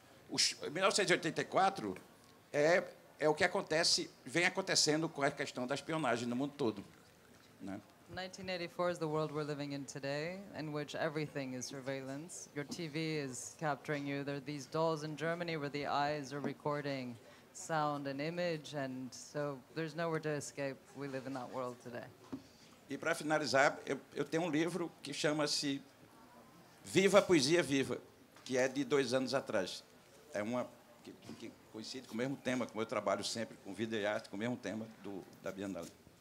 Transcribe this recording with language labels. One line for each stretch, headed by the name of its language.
Portuguese: 1984 é o que acontece, vem acontecendo com a questão da espionagem no mundo todo, né?
English: 1984 is the world we're living in today, in which everything is surveillance. Your TV is capturing you. There are these dolls in Germany where the eyes are recording sound and image, and so there's nowhere to escape. We live in that world today.
Portuguese: E, para finalizar, eu tenho um livro que chama-se Viva a Poesia Viva, que é de 2 anos atrás. É uma que coincide com o mesmo tema, como eu trabalho sempre, com vida e arte, com o mesmo tema da Biennale.